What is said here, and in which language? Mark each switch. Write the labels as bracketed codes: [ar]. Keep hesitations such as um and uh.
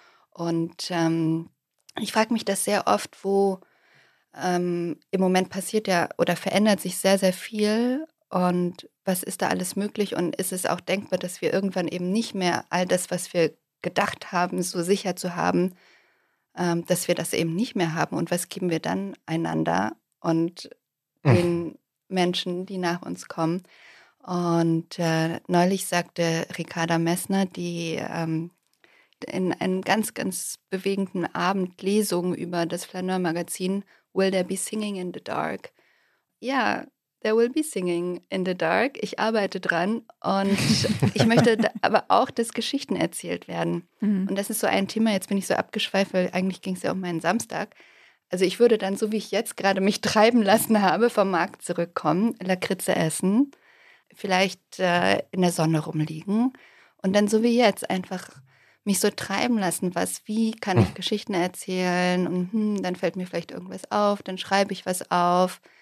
[de] Und ähm, ich frage mich das sehr oft, wo ähm, im Moment passiert ja oder verändert sich sehr, sehr viel und was ist da alles möglich und ist es auch denkbar, dass wir irgendwann eben nicht mehr all das, was wir gedacht haben, so sicher zu haben, ähm, dass wir das eben nicht mehr haben und was geben wir dann einander und mhm. den Menschen, die nach uns kommen. Und äh, neulich sagte Ricarda Messner, die ähm, in einem ganz, ganz bewegenden Abend Lesung über das Flaneur-Magazin Will There Be Singing in the Dark? [en] Ja, there will be singing in the dark. [de] Ich arbeite dran und ich möchte aber auch, dass Geschichten erzählt werden. Mhm. Und das ist so ein Thema, jetzt bin ich so abgeschweift, weil eigentlich ging es ja um meinen Samstag. Also ich würde dann, so wie ich jetzt gerade mich treiben lassen habe, vom Markt zurückkommen, Lakritze essen, vielleicht äh, in der Sonne rumliegen und dann so wie jetzt einfach mich so treiben lassen, was, wie kann ich Geschichten erzählen und hm, dann fällt mir vielleicht irgendwas auf, dann schreibe ich was auf.